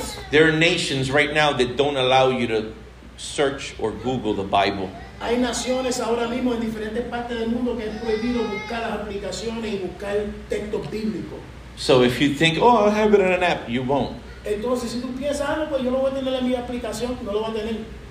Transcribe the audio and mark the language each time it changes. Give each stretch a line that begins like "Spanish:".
English: There are nations right now that don't allow you to search or Google the Bible.
Spanish: Hay naciones ahora mismo en diferentes partes del mundo que han prohibido buscar las aplicaciones y buscar textos bíblicos.
English: So if you think, oh, I'll have it in an app, you won't.
Spanish: Entonces, si tú piensas algo, pues yo lo voy a tener en mi aplicación, no lo voy a tener.